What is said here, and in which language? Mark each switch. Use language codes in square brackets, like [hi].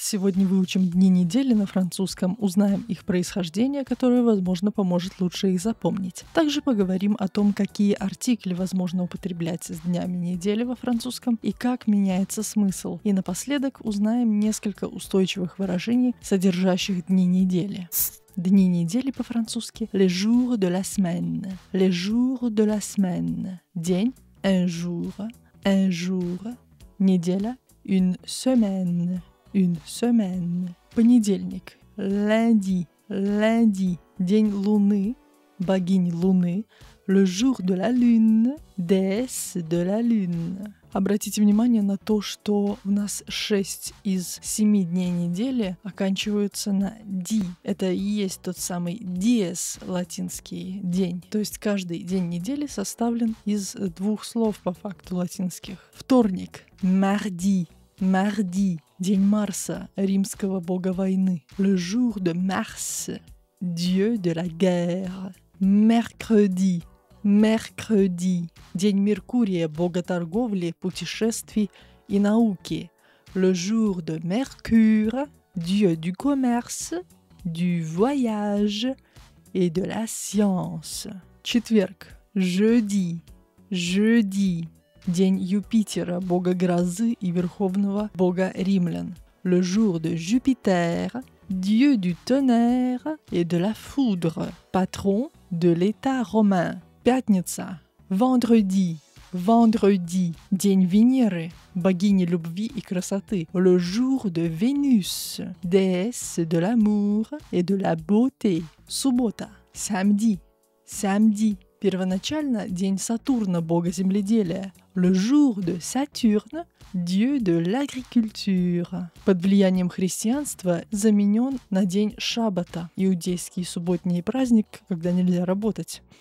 [ru] Сегодня выучим дни недели на французском, узнаем их происхождение, которое, возможно, поможет лучше их запомнить. Также поговорим о том, какие артикли возможно употреблять с днями недели во французском и как меняется смысл. И напоследок узнаем несколько устойчивых выражений, содержащих дни недели. Дни недели по-французски [fr] «les jours de la semaine», «les jours de la semaine», «день», «un jour», «неделя», «une semaine», «une semaine», «понедельник», «lundi», «lundi», [ru] «день луны», «богинь луны», [fr] «le jour de la lune», «déesse de la lune». [ru] Обратите внимание на то, что у нас 6 из 7 дней недели оканчиваются на «ди». Это и есть тот самый «диэс» латинский день. То есть каждый день недели составлен из двух слов по факту латинских. Вторник – «марди», «марди», день Марса, римского бога войны. [fr] «Le jour de Mars», «dieu de la guerre», «mercredi», «mercredi», [ru] день Меркурия, бога торговли, путешествий и науки. [fr] «Le jour de Mercure», «dieu du commerce», «du voyage» и «de la science». Четверг. [ru] «Jeudi», «jeudi», день Юпитера, бога грозы и верховного бога римлян. [fr] «Le jour de Jupiter», «dieu du tonnerre» и «de la foudre», «patron de l'état romain». Пятница. Vendredi. Vendredi. [ru] День Венеры. Богини любви и красоты. [fr] Le jour de Vénus. Déesse de l'amour et de la beauté. Суббота. Samedi. Samedi. [ru] Первоначально день Сатурна, бога земледелия. [fr] Le jour de Saturne. Dieu de l'agriculture. [ru] Под влиянием христианства заменен на день Шаббата, иудейский субботний праздник, когда нельзя работать.